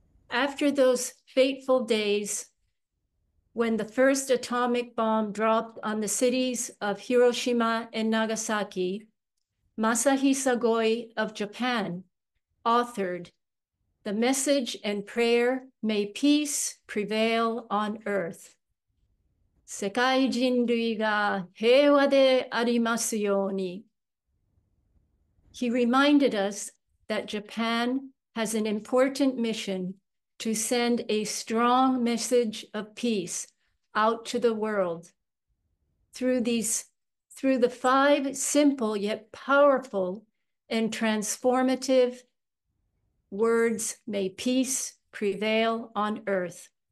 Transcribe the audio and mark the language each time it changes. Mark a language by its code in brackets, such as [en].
[en] After those fateful days, when the first atomic bomb dropped on the cities of Hiroshima and Nagasaki, Masahisa Goi of Japan authored the message and prayer, "May peace prevail on earth." [ja] 世界人類が平和でありますように。 [en] He reminded us that Japan has an important mission to send a strong message of peace out to the world through the five simple yet powerful and transformative words, "May peace prevail on earth."